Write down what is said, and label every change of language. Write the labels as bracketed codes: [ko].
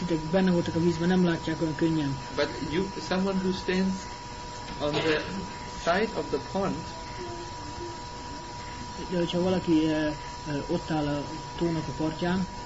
[hu] Benne voltak a vízben, nem látják olyan könnyen. [en] But you, someone who stands on the side of the pond, [hu] de hogyha valaki ott áll a tónak a partján,